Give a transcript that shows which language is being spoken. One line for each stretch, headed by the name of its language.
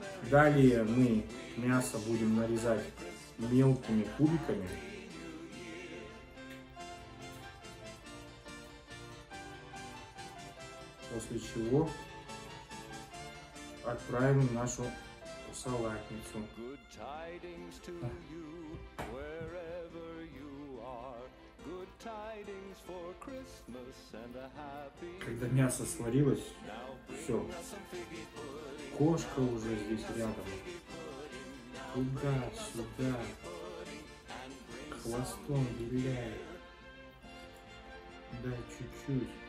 Russian: Далее мы мясо будем нарезать мелкими кубиками. После чего отправим в нашу салатницу.
English: Good tidings to you, wherever you are. Good tidings for Christmas and a happy.
Russian: Когда мясо сварилось, все. Кошка уже здесь рядом. Туда, сюда. Хвостом виляет. Да, чуть-чуть.